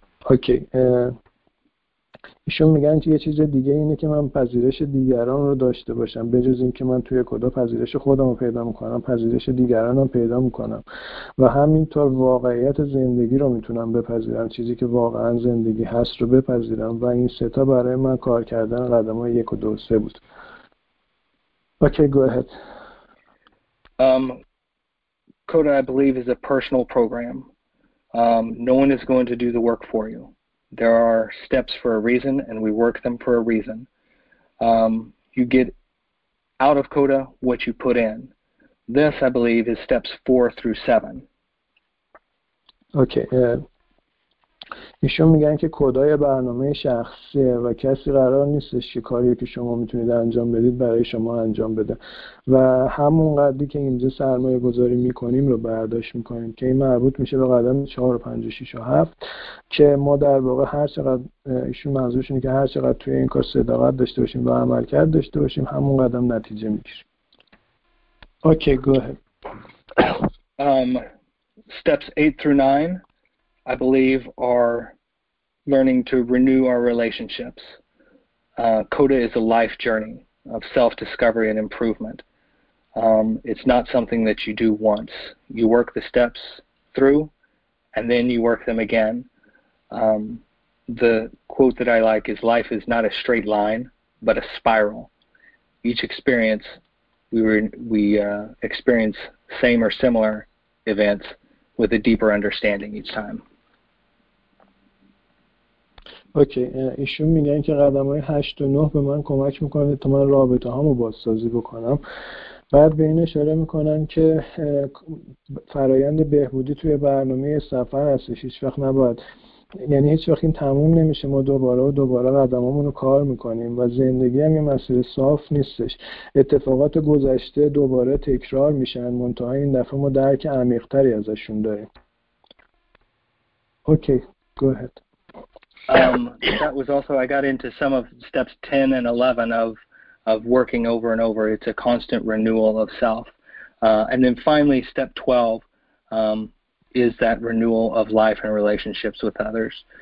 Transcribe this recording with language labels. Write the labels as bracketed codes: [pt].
[en] Okay. [fa] ایشون میگن یه چیز دیگه اینه که من پذیرش دیگران رو داشته باشم، به جز این که من توی کدا پذیرش خودم رو پیدا میکنم، پذیرش دیگران رو پیدا میکنم و همینطور واقعیت زندگی رو میتونم بپذیرم، چیزی که واقعا زندگی هست رو بپذیرم، و این سه تا برای من کار کردن قدم های 1 و 2 و 3 بود. [en] Okay, go ahead. CODA, I believe, is a personal program. No one is going to do the work for you. There are steps for a reason, and we work them for a reason. You get out of CODA what you put in. This, I believe, is steps 4 through 7. Okay. [fa] ایشون میگن که کدای برنامه شخصیه و کسی قرار نیستش که کاری که شما میتونید انجام بدید برای شما انجام بده، و همون قدری که اینجا سرمایه گذاری میکنیم رو برداشت میکنیم که این مربوط میشه به قدم 4, 5, 6 و 7 که ما در واقع هر چقدر، ایشون منظورش اینه که هر چقدر توی این کار صداقت داشته باشیم و عمل کرد داشته باشیم، همون قدم نتیجه میگیریم. [en] Okay, go ahead. Steps 8 through 9, I believe, are learning to renew our relationships. CODA is a life journey of self-discovery and improvement. It's not something that you do once. You work the steps through, and then you work them again. The quote that I like is, life is not a straight line, but a spiral. Each experience, we experience same or similar events with a deeper understanding each time. [fa] اوکی، ایشون میگن که قدم های 8 و 9 به من کمک میکنه تا من رابطه هامو بازسازی بکنم. بعد به این اشاره میکنن که فرایند بهبودی توی برنامه سفر هستش، هیچ وقت نباید، یعنی هیچ وقت این تموم نمیشه، ما دوباره و دوباره قدم هامونو کار میکنیم و زندگی هم یه مسیر صاف نیستش، اتفاقات گذشته دوباره تکرار میشن، منتها این دفعه ما درک عمیق‌تری ازشون داریم. [en] Okay, go ahead. That was also, I got into some of steps 10 and 11 of working over and over. It's a constant renewal of self. And then finally, step 12 is that renewal of life and relationships with others.